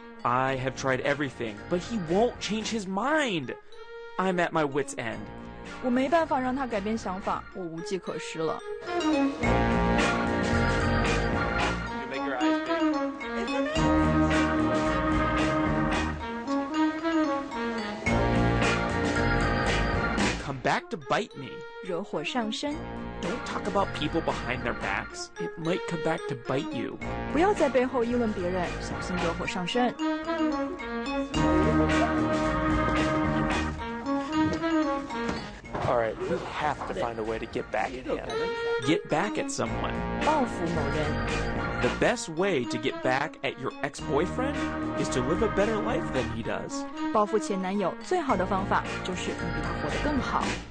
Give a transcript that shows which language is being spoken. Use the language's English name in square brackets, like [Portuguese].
[English] I have tried everything, but he won't change his mind. I'm at my wit's end. [Chinese] 我没办法让他改变想法，我无计可施了。 [English] Come back to bite me. [Chinese] 惹火上身。 [English] Don't talk about people behind their backs. It might come back to bite you. [Chinese] 不要在背后议论别人，小心惹火上身。 [English] All right, we have to find a way to get back at him. Get back at someone. [Chinese] 报复某人。 [English] The best way to get back at your ex-boyfriend is to live a better life than he does. [Chinese] 报复前男友最好的方法就是能比他活得更好。